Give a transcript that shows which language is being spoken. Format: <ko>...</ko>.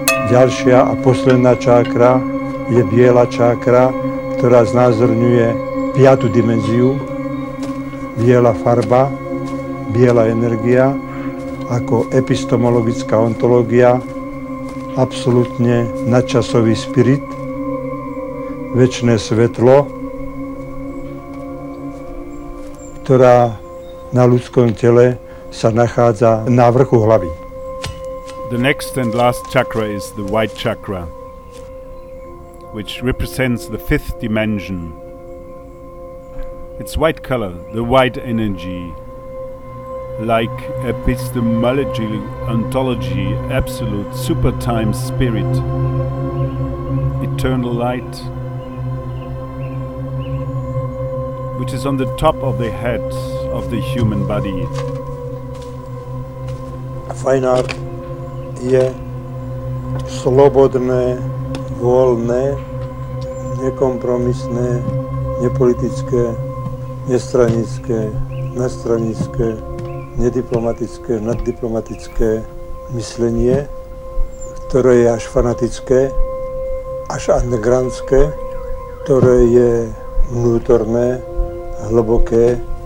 <sk>ďalšia a posledná čakra je biela čakra, ktorá znázorňuje piatu dimenziu, biela farba, biela energia, ako epistemologická ontológia, absolútne nadčasový spirit, večné svetlo, ktorá na ľudskom tele sa nachádza na vrchu hlavy.</sk> <en>The next and last chakra is the white chakra, which represents the fifth dimension. Its white color, the white energy, like epistemology, ontology, absolute, super time spirit, eternal light, which is on the top of the head of the human body.</en> <sk>Fine art je slobodné, voľné, nekompromisné, nepolitické, nestranické, nestranické, nediplomatické, naddiplomatické myslenie, ktoré je až fanatické, až undergroundské, ktoré je vnútorné, hlboké,</sk>